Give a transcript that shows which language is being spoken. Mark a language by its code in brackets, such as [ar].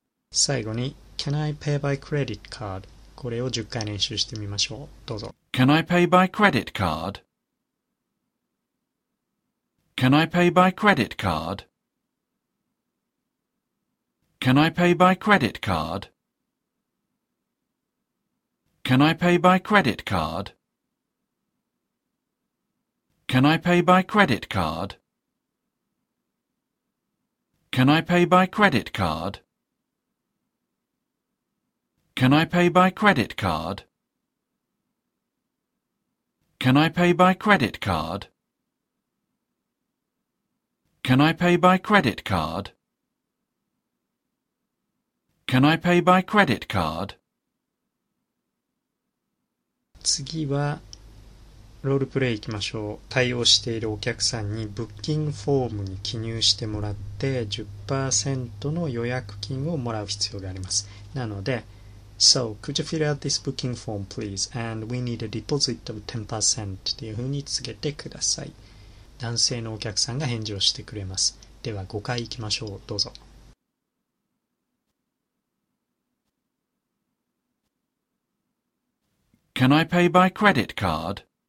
[ja] 最後に [en] Can I pay by credit card? [ja] これを10回練習してみましょう。どうぞ。 [en] Can I pay by credit card? Can I pay by credit card? Can I pay by credit card? Can I pay by credit card? Can I pay by credit card? Can I pay by credit card? Can I pay by credit card? Can I pay by credit card? Can I pay by credit card? Can I pay by credit card? [ja] 次はロールプレイ行きましょう。対応しているお客さんにブッキングフォームに記入してもらって 10% の予約金をもらう必要があります。なので [en] So, could you fill out this booking form, please? And we need a deposit of 10%. [ja] というふうにつけてください。男性のお客さんが返事をしてくれます。では5回行きましょう。どうぞ。 [en] Can I pay by credit card?